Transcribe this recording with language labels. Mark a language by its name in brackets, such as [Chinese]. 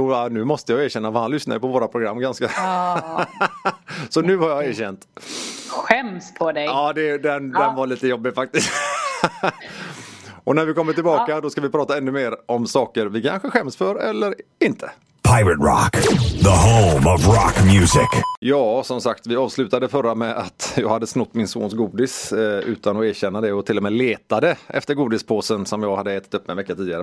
[Swedish] Nu måste jag erkänna, för han lyssnar på våra program ganska... Ja. Så nu har jag erkänt. Skäms på dig. Ja, den var lite jobbig faktiskt. Och när vi kommer tillbaka, då ska vi prata ännu mer om saker vi kanske skäms för eller inte. [English] Pirate Rock, the home of rock music. [Swedish] Ja, som sagt, vi avslutade förra med att jag hade snott min sons godis utan att erkänna det och till och med letade efter godispåsen som jag hade ätit upp en vecka tidigare.